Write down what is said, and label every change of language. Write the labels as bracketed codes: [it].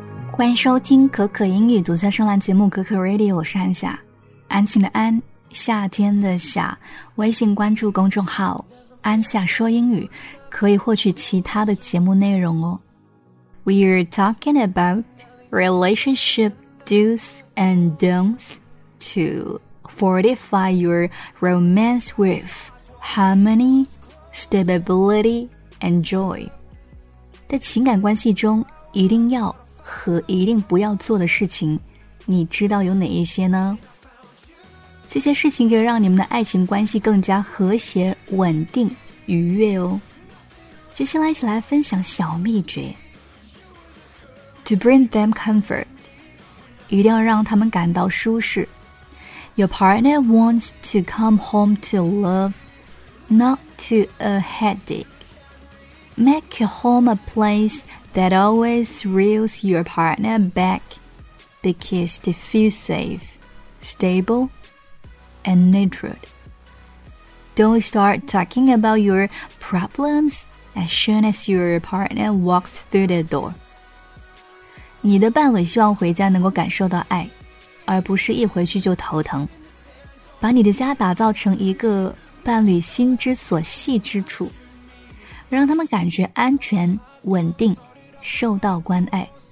[zh] 欢迎收听可可英语独家声浪节目可可 Radio， 我是安夏，安静的安，夏天的夏。微信关注公众号安夏说英语，可以获取其他的节目内容哦。 [en] We're talking about relationship do's and don'ts to fortify your romance with harmony, stability, and joy. [zh] 在情感关系中一定要和一定不要做的事情，你知道有哪一些呢？这些事情可以让你们的爱情关系更加和谐、稳定、愉悦哦。接下来一起来分享小秘诀。 [en] To bring them comfort， [zh] 一定要让他们感到舒适。 [en] Your partner wants to come home to love, not to a headache. Make your home a place that always reels your partner back because they feel safe, stable, and nurtured. Don't start talking about your problems as soon as your partner walks through the door. [zh] 你的伴侣希望回家能够感受到爱，而不是一回去就头疼。把你的家打造成一个伴侣心之所系之处，让他们感觉安全、稳定、受到关爱。